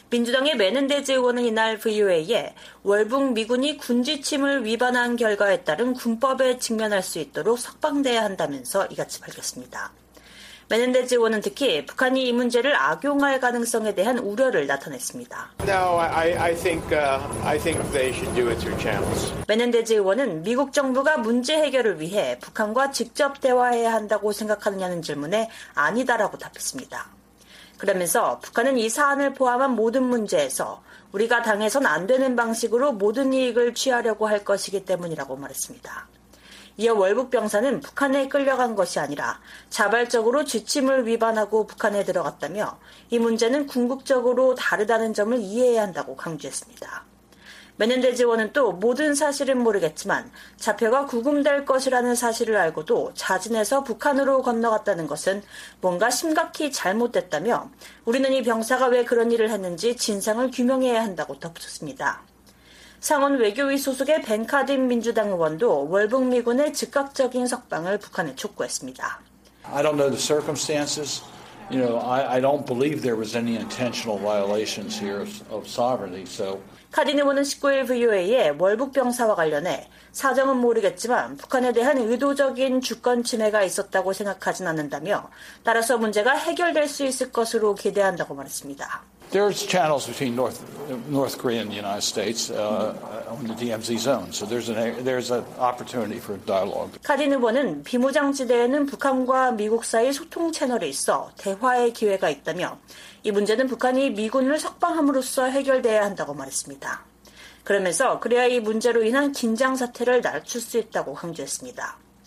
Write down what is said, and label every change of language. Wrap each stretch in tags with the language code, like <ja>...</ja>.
<ko>민주당의 메넨데즈 의원은 이날 VOA에 월북미군이 군지침을 위반한 결과에 따른 군법에 직면할 수 있도록 석방돼야 한다면서 이같이 밝혔습니다. 메넨데즈 의원은 특히 북한이 이 문제를 악용할 가능성에 대한 우려를 나타냈습니다.</ko> <en>No, I think they should do it through channels.</en> <ko>메넨데즈 의원은 미국 정부가 문제 해결을 위해 북한과 직접 대화해야 한다고 생각하느냐는 질문에 아니다라고 답했습니다. 그러면서 북한은 이 사안을 포함한 모든 문제에서 우리가 당해선 안 되는 방식으로 모든 이익을 취하려고 할 것이기 때문이라고 말했습니다. 이어 월북 병사는 북한에 끌려간 것이 아니라 자발적으로 지침을 위반하고 북한에 들어갔다며 이 문제는 궁극적으로 다르다는 점을 이해해야 한다고 강조했습니다. 메넨데즈 의원은 또 모든 사실은 모르겠지만 자폐가 구금될 것이라는 사실을 알고도 자진해서 북한으로 건너갔다는 것은 뭔가 심각히 잘못됐다며 우리는 이 병사가 왜 그런 일을 했는지 진상을 규명해야 한다고 덧붙였습니다. 상원 외교위 소속의 벤카딘 민주당 의원도 월북 미군의 즉각적인 석방을 북한에 촉구했습니다.</ko> <en>I don't know the circumstances. You know, I don't believe there was any intentional violations here of sovereignty. So</en> <ko>카딘 의원은 19일 VOA에 월북 병사와 관련해 사정은 모르겠지만 북한에 대한 의도적인 주권 침해가 있었다고 생각하진 않는다며 따라서 문제가 해결될 수 있을 것으로 기대한다고 말했습니다.</ko> <en>There's channels between North Korea and the United States on the DMZ zone. So there's an opportunity for dialogue.</en> <ko>카딘 의원은 비무장지대에는 북한과 미국 사이 소통 채널이 있어 대화의 기회가 있다며 이 문제는 북한이 미군을 석방함으로써 해결돼야 한다고 말했습니다. 그러면서 그래야 이 문제로 인한 긴장 사태를 낮출 수 있다고 강조했습니다.</ko>